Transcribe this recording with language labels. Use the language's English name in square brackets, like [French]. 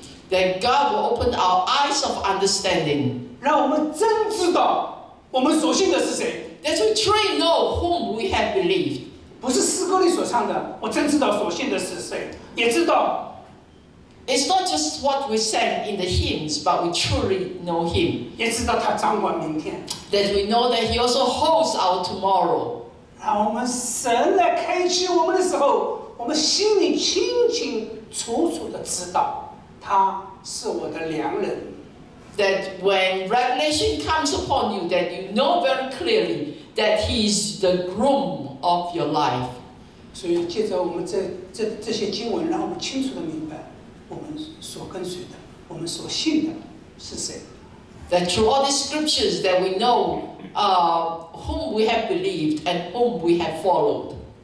[English] That God will open our eyes of understanding. That we truly know whom we have believed. [Chinese] 不是诗歌里所唱的，我真知道所信的是谁，也知道。 [English] It's not just what we sang in the hymns, but we truly know Him. [Chinese] 也知道他掌管明天。 [English] That we know that He also holds our tomorrow. [Chinese] 让我们神来开启我们的时候，我们心里清清楚楚的知道，他是我的良人。 [English] That when revelation comes upon you, that you know very clearly that He is the groom of your life. [Chinese] 所以借着我们这些经文，让我们清楚地明白，我们所跟随的，我们所信的是谁。 [English] That through all these scriptures that we know whom we have believed and whom we have followed.